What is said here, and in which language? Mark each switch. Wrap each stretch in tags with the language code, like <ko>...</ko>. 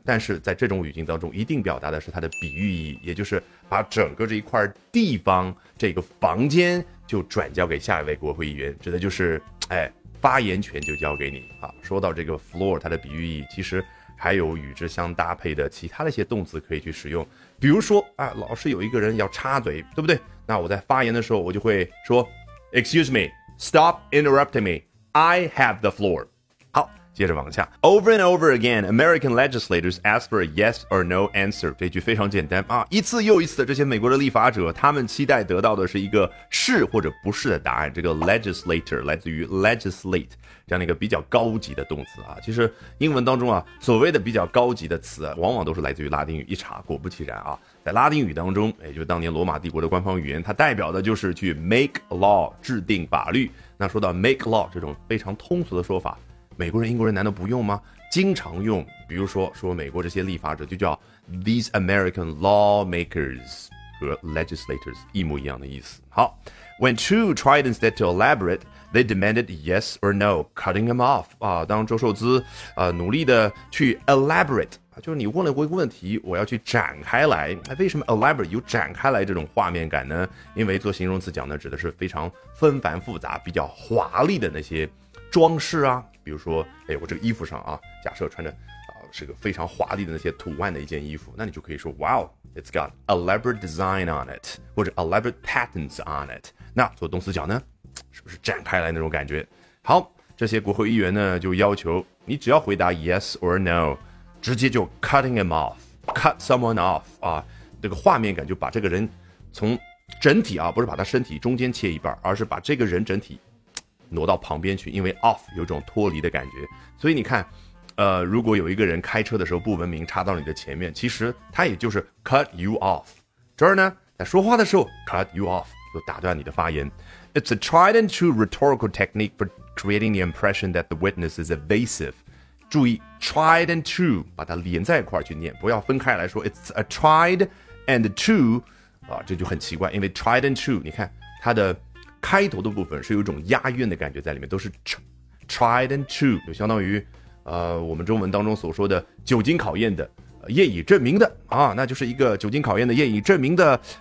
<zh>但是在这种语境当中，一定表达的是他的比喻意义，也就是把整个这一块地方这个房间就转交给下一位国会议员，指的就是发言权就交给你啊。说到这个 floor， 它的比喻意义其实还有与之相搭配的其他的一些动词可以去使用，比如说啊，老是有一个人要插嘴，对不对？那我在发言的时候，我就会说</zh> <en>，Excuse me, stop interrupting me, I have the floor。</en> <zh>好，接着往下。</zh> <en>Over and over again, American legislators ask for a yes or no answer。</en> <zh>这句非常简单啊，一次又一次的，这些美国的立法者，他们期待得到的是一个是或者不是的答案。这个 legislator 来自于 legislate。这样的一个比较高级的动词啊，其实英文当中啊，所谓的比较高级的词往往都是来自于拉丁语。一查果不其然啊，在拉丁语当中，也就是当年罗马帝国的官方语言，它代表的就是去 make law， 制定法律。那说到 make law 这种非常通俗的说法，美国人英国人难道不用吗？经常用，比如说美国这些立法者就叫</zh> <en>these American lawmakers，</en> <zh>和 legislators 一模一样的意思。</zh> <en>好， when Chu tried instead to elaborateThey demanded yes or no, cutting him off.</en> <zh>啊，当周受资努力的去 elaborate， 就是你问了一个问题，我要去展开来。为什么 elaborate 有展开来这种画面感呢？因为做形容词讲的指的是非常纷繁复杂、比较华丽的那些装饰啊。比如说，我这个衣服上啊，假设穿着是个非常华丽的那些图案的一件衣服，那你就可以说 ，</zh> <en>Wow, it's got elaborate design on it，</en> <zh>或者</zh> <en>elaborate patterns on it。</en> <zh>那做动词讲呢？是不是展开来那种感觉？好，这些国会议员呢就要求你只要回答 yes or no， 直接就 cutting him off， cut someone off 啊，这个画面感就把这个人从整体啊，不是把他身体中间切一半，而是把这个人整体挪到旁边去，因为 off 有种脱离的感觉。所以你看，如果有一个人开车的时候不文明插到你的前面，其实他也就是 cut you off， 这儿呢在说话的时候 cut you off 就打断你的发言。</zh> <en>It's a tried and true rhetorical technique for creating the impression that the witness is evasive.</en> <zh>注意 tried and true， 把它连在一块去念，不要分开来说。</zh> <en>It's a tried and true，</en> <zh>啊，这就很奇怪，因为 tried and true， 你看它的开头的部分是有一种押韵的感觉在里面，都是 tried and true， 就相当于我们中文当中所说的久经考验的、业已证明的啊，那就是一个久经考验的、业已证明的。</zh>